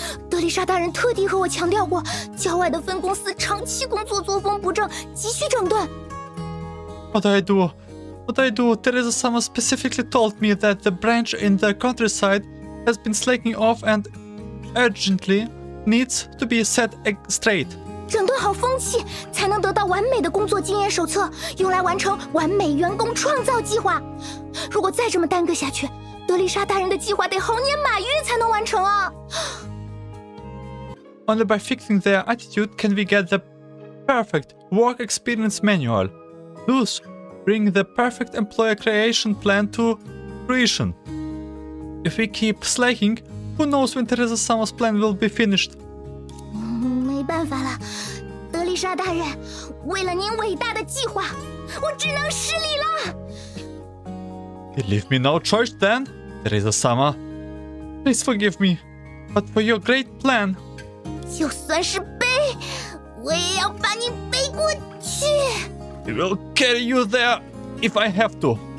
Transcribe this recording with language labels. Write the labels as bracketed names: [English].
[Chinese] 德丽莎大人特地和我强调过, 郊外的分公司长期工作作风不正,急需整顿。 [English] What do I do? Teresa-sama specifically told me that the branch in the countryside has been slacking off and urgently needs to be set straight. [Chinese] 整顿好风气,才能得到完美的工作经验手册, 用来完成完美员工创造计划。如果再这么耽搁下去, 德丽莎大人的计划得猴年马月才能完成啊。 [English] Only by fixing their attitude can we get the perfect work experience manual. Thus, bring the perfect employer creation plan to fruition. If we keep slacking, who knows when Teresa-sama's plan will be finished. [Chinese] 没办法了,德丽莎大人, 为了您伟大的计划, 我只能失礼了! [English] Leave me no choice then, Teresa-sama. Please forgive me, but for your great plan, [Chinese] 就算是背, 我也要把你背过去! [English] I will carry you there if I have to.